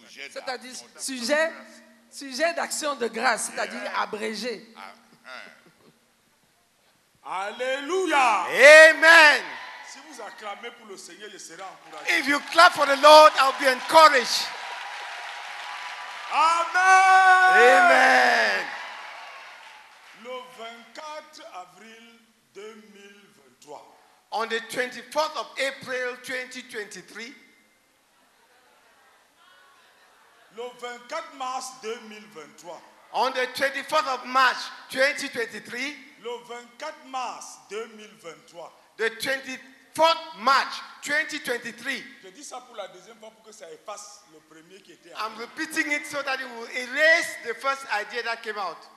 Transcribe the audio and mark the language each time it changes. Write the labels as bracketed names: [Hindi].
[French] C'est-à-dire sujet d'action de grâce, c'est-à-dire abrégé. Alléluia. Amen. Si vous acclamez pour le Seigneur, je serai encouragé. [English] If you clap for the Lord, I'll be encouraged. Amen. Amen. [French] Le 24 avril 2023. [English] On the 24th of April 2023. [French] Le 24 mars 2023. [English] On the 24th of March 2023. [French] Le 24 mars 2023. [English] The 24th March 2023. [French] Je dis ça pour la deuxième fois pour que ça efface le premier qui était. [English] I'm repeating it so that it will erase the first idea that came out.